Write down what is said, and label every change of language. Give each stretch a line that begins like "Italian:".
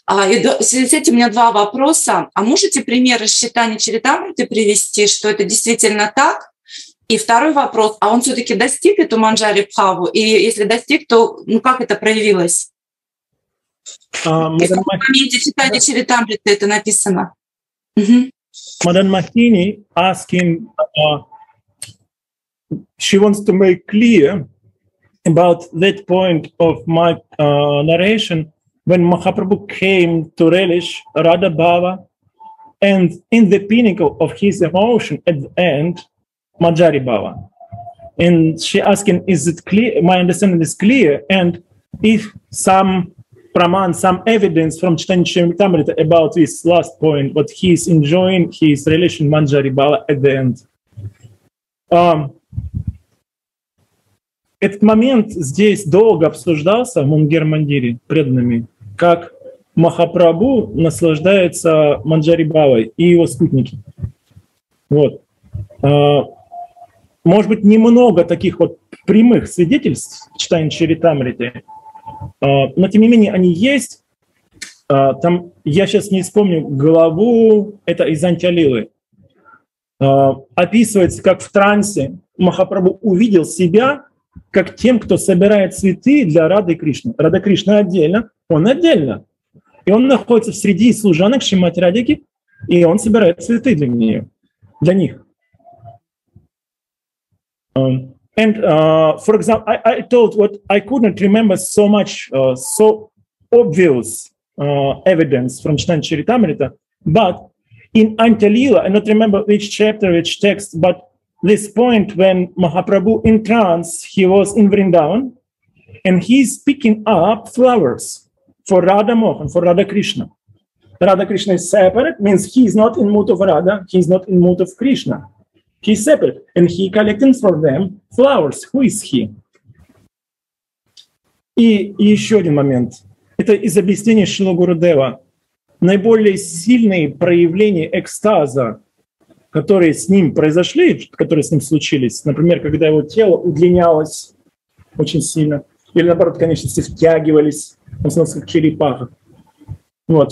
Russian: И в связи с этим у меня два вопроса. А можете примеры с читания Чаритамриты привести, что это действительно так? И второй вопрос, а он все-таки достиг эту Манджари-бхаву? И если достиг, то ну, как это проявилось? В каком моменте читания Чаритамриты это написано? Mm-hmm.
English: Madan Mahini asking, she wants to make clear about that point of my narration when Mahaprabhu came to relish Radha Bhava and in the pinnacle of his emotion at the end, Manjari Bhava. And she asking, is it clear? My understanding is clear. And if some Praman, some evidence from Chaitanya Charitamrita about this last point, what he is enjoying, his relation Manjari Bhava at the end.
Russian: Этот момент здесь долго обсуждался в Мунгер-Мандире преданными, как Махапрабху наслаждается Манджари Бхавой и его спутники. Вот. Может быть, немного таких вот прямых свидетельств Чаитанья Чаритамриты, но, тем не менее, они есть. Там, я сейчас не вспомню главу, это из Антиалилы. Описывается, как в трансе Махапрабху увидел себя как тем, кто собирает цветы для Рады Кришны. Рада Кришна отдельно, он отдельно. И он находится среди служанок Шримати Радики, и он собирает цветы для нее, для них.
English: And for example, I told what I couldn't remember so much, so obvious evidence from Chaitanya Charitamrita, but in Antalila, I don't remember which chapter, which text, but this point when Mahaprabhu in trance, he was in Vrindavan, and he's picking up flowers for Radha Mohan, for Radha Krishna. Radha Krishna is separate, means he's not in mood of Radha, he's not in mood of Krishna. He's separate, and he collecting for them flowers. Who is he?
Russian: И еще один момент. Это из объяснения Шрилы Гурудева. Наиболее сильные проявления экстаза, которые с ним произошли, которые с ним случились, например, когда его тело удлинялось очень сильно, или наоборот, конечности втягивались, он становился как черепаха. Вот.